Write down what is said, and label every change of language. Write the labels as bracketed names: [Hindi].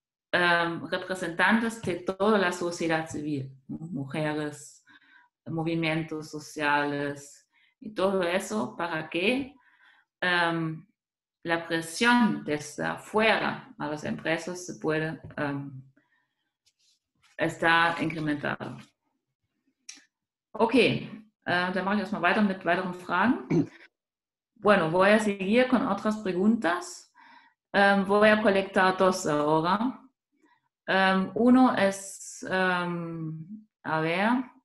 [Spanish] representantes de toda la sociedad civil, mujeres, movimientos sociales y todo eso, para que la presión desde afuera a las empresas se pueda estar incrementada. Okay. [German] Dann mache ich erstmal weiter mit weiteren Fragen. [Spanish] Bueno, voy a seguir con otras preguntas. Voy a colectar dos ahora. Uno es, a ver.